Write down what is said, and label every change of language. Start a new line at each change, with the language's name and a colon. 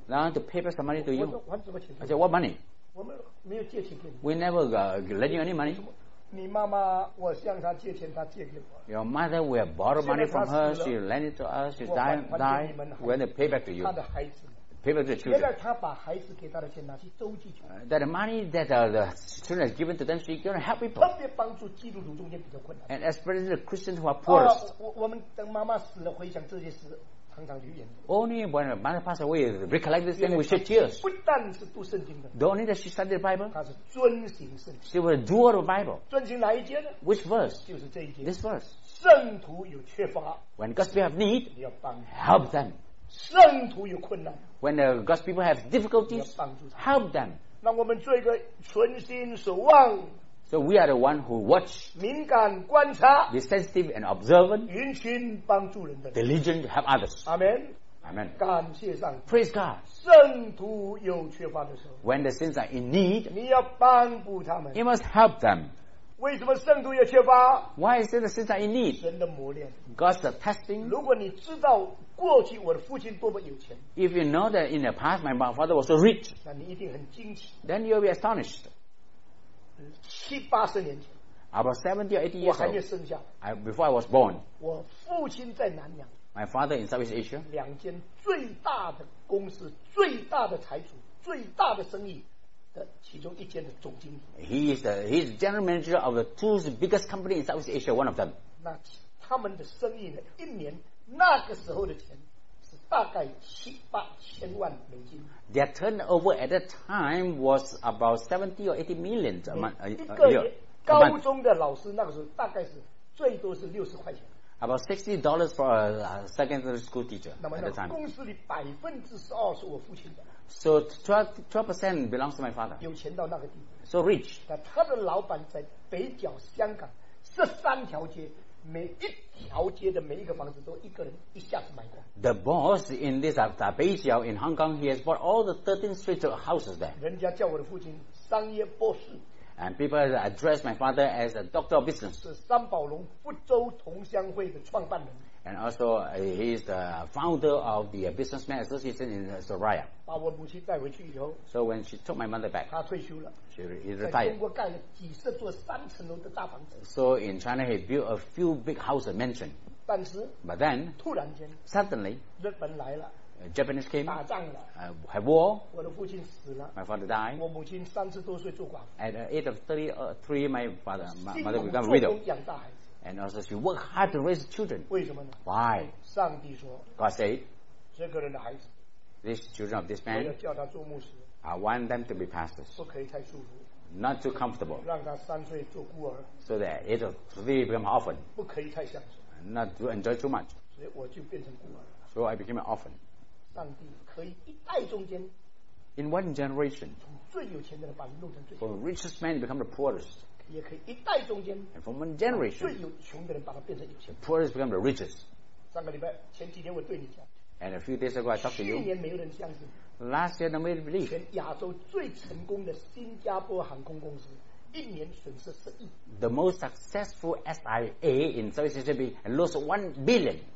English: Now I want to pay back some money to you
Chinese: 我还什么钱
English: I said what money
Chinese: 我们没有借钱给你
English: We never lend you any money
Chinese: 你妈妈我向她借钱她借给我
English: Your mother will borrow money from her She lend it to us She died We want to pay back to you
Chinese: 她的孩子原来他把孩子给他的钱拿去周济穷。
English: That the money that the children has given to them, she's going to help people.
Chinese: 特别帮助基督徒中间比较困难。
English: And especially the Christians who are poorest.
Chinese: 我们等妈妈死了，回想这些事，常常流眼泪。
English: Only when my mother passed away, recollect this thing, we shed tears.
Chinese: 不但是读圣经的。
English: The only that she studied the Bible.
Chinese: 她是遵行圣经。
English: She was a doer of Bible.
Chinese: 遵行哪一节呢
English: ？Which verse？
Chinese: 就是这一节。
English: This verse.
Chinese: 圣徒有缺乏。
English: When God's people have need,
Chinese: 你要帮
English: help them.
Chinese: 圣徒有困难。
English: When the God's people have difficulties, help them.
Chinese: 让我们做一个存心守望。
English: So we are the one who watch,
Chinese: 敏感观察，
English: be sensitive and observant,
Chinese: 殷勤帮助人的，
English: diligent to help others. Amen. Amen.
Chinese: 感谢上帝。
English: Praise God.
Chinese: 圣徒有缺乏的时候，
English: when the saints are in need,
Chinese: 你要帮助他们，
English: you must help them.
Chinese: 为什么圣徒有缺乏？
English: Why is it the saints are in need?
Chinese: 神的磨练，
English: God's the testing.
Chinese: 如果你知道过去我的父亲多么有钱。
English: If you know that in the past my father was so rich,
Chinese: 那你一定很惊奇。
English: Then you'll be astonished. 70 or 80 years ago, about 70 or 80 years old,
Chinese: 我还没生下。
English: Before I was born,
Chinese: 我父亲在南洋。
English: My father in Southeast Asia.
Chinese: 两间最大的公司、最大的财主、最大的生意的其中一间的总经理。
English: He's general manager of the two biggest companies in Southeast Asia, one of them.
Chinese: 那他们的生意呢，一年。那个时候的钱是大概七八千万美金。
English: Their turnover at that time was about 70 or 80 million a month.
Chinese: 一个高中的老师那个时候大概是最多是60块钱。
English: About $60 for a secondary school teacher at the time.
Chinese: 公司里百分之十二是我父亲的。
English: So 12% belongs to my father.
Chinese: 有钱到那个地步。
English: So rich.
Chinese: 他的老板在北角香港13条街。每一条街的每一个房子都一个人一下子买光。
English: The boss in this Beijiao in Hong Kong, he has bought all the 13 streets of houses there.
Chinese: 人家叫我的父亲商业博士。
English: And people address my father as a doctor of business.
Chinese: 是三宝龙福州同乡会的创办人。
English: And also he is the founder of the businessman association in Soraya.
Chinese: 把我母亲带回去以后。
English: So when she took my mother back.
Chinese: 他退休了。
English: She retired.
Chinese: 在中国盖了几十座三层楼的大房子。
English: So in China he built a few big houses, mansion.
Chinese: 但是。
English: But then.
Chinese: 突然间。
English: Suddenly.
Chinese: 日本来了。
English: Japanese came,
Chinese: 打仗了,
English: had war,
Chinese: 我的父亲死了,
English: my father died,
Chinese: 我母亲三十多岁做寡妇,
English: at the age of 33, my father, mother became a widow,
Chinese: 辛苦做工养大孩子,
English: and also she worked hard to raise children.
Chinese: 为什么呢?
English: Why?
Chinese: 上帝说,
English: God said,
Chinese: 这个人的孩子,
English: these children of this man,
Chinese: 我要叫他做牧师,
English: I want them to be pastors,
Chinese: 不可以太舒服,
English: not too comfortable,
Chinese: 让他三岁做孤儿,
English: so that at the age of 3 become an orphan,
Chinese: 不可以太享受,
English: not to enjoy too much,
Chinese: 所以我就变成孤儿,
English: so I became an orphan.
Chinese: 上帝可以一代中间
English: in one generation
Chinese: 从最有钱的人把人弄成最
English: from the richest man become the poorest
Chinese: 也可以一代中间
English: and from one generation
Chinese: 最有穷的人把他变成有钱
English: the poorest become the richest
Chinese: 上个礼拜前几天我对你讲
English: and a few days ago I talked to you
Chinese: 去年没有人相信
English: last year nobody believed
Chinese: 全亚洲最成功的新加坡航空公司一年损失10亿
English: the most successful SIA in Southeast Asia and lost $1 billion